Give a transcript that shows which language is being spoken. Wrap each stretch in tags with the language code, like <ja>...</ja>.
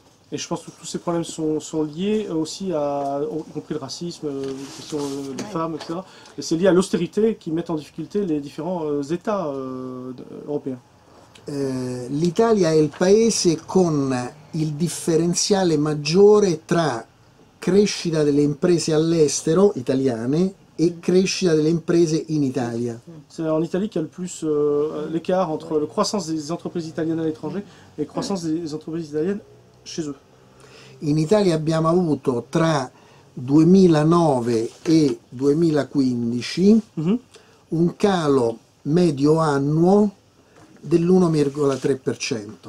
<fr>Et je pense que tous ces problèmes sont liés aussi à, y compris le racisme, les questions des femmes, etc. Et c'est lié à l'austérité qui met en difficulté les différents États européens.</fr> <it>L'Italia è il paese con il differenziale maggiore tra crescita delle imprese all'estero italiane e crescita delle imprese in Italia.</it> <fr>C'est en Italie qu'il y a le plus l'écart entre la croissance des entreprises italiennes à l'étranger et la croissance des entreprises italiennes chez eux.</fr> <it>In Italia abbiamo avuto tra 2009 e 2015 un calo medio annuo dell'1,3%.</it>